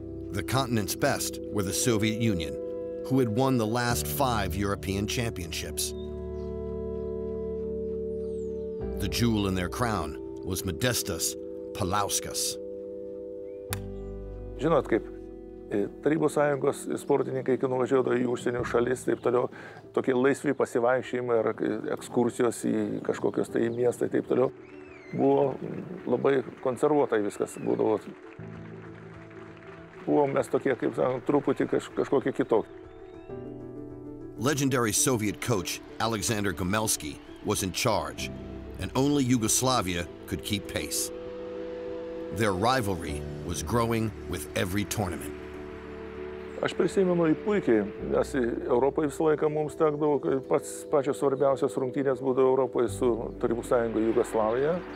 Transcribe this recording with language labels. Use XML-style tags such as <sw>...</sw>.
<en>The continent's best were the Soviet Union, who had won the last five European championships. The jewel in their crown was Modestas Paulauskas.</en> <lt>Žinot kaip? Tarybos sąjungos sportininkai, kai nuvažiuodo į užsienio šalis, taip toliau, tokie laisvi pasivaikščiojimai ar ekskursijos į kažkokios tai miestą, taip toliau, buvo labai konservuotai viskas būdavo. Buvom mes tokie, kaip sakant, truputį kažkokie kitokie.</lt> <en>Legendary Soviet coach Alexander Gomelsky was in charge, and only Yugoslavia could keep pace. Their rivalry was growing with every tournament.</en> <lt>Aš prisimenu jį puikiai, nes Europoje visą laiką mums tekdavo, pačios svarbiausios rungtynės būdavo Europoje su Tarybų Sąjunga Jugoslavija.</lt>